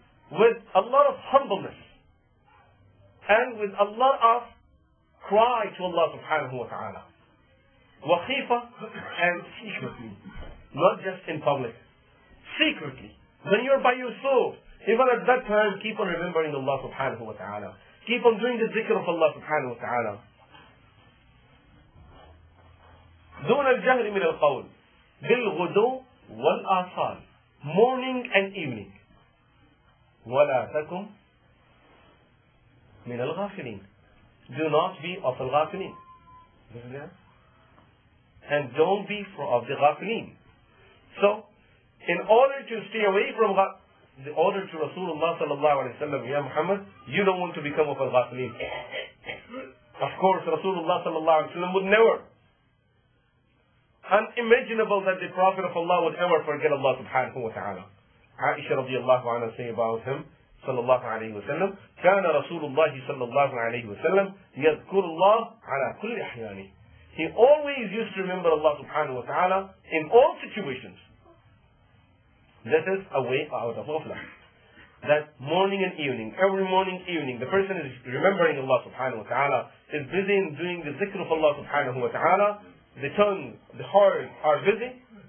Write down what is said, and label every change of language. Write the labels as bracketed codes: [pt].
[en] With a lot of humbleness and with a lot of cry to Allah subhanahu wa ta'ala. Wakhifa, and secretly, not just in public, secretly, when you're by yourself, even at that time, keep on remembering Allah subhanahu wa ta'ala. Keep on doing the zikr of Allah subhanahu wa ta'ala. [ar] دُونَ الْجَهْرِ مِنَ الْقَوْلِ بِالْغُدُو وَالْآثَارِ [en] morning and evening. [ar] وَلَا تَكُمْ مِنَ الْغَافِلِينَ [en] do not be of the ghafilin. And don't be for of the ghafilin. So, in order to stay away from the order to Rasulullah sallallahu alayhi wa sallam, Ya Muhammad, you don't want to become of the ghafilin. Of course, Rasulullah sallallahu alayhi wa sallam would never. Unimaginable that the Prophet of Allah would ever forget Allah subhanahu wa ta'ala. [ar] Aisha radiallahu anha [en] say about him, [ar] sallallahu alayhi wa sallam, كَانَ رَسُولُ اللَّهِ صَلَّى اللَّهُ عَلَيْهِ وَسَلَّمْ يَذْكُرُ اللَّهُ عَلَى كُلِّ أَحْيَانِ. [en] He always used to remember Allah subhanahu wa ta'ala in all situations. This is a way out of ghaflah. That morning and evening, every morning and evening, the person is remembering Allah subhanahu wa ta'ala, is busy in doing the zikr of Allah subhanahu wa ta'ala, the tongue, the heart are busy.